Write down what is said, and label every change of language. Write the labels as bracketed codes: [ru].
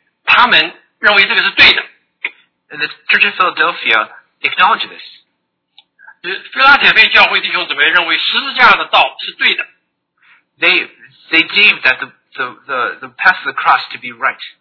[zh] 好了，那现在说，哎呀，这些腓拉铁贝的弟兄姊妹，他们认为这个是对的。And [en] the Church of Philadelphia acknowledge this. [zh] 腓拉铁贝教会弟兄姊妹认为十字架的道是对的。 [en] They deem that the path of the cross to be right.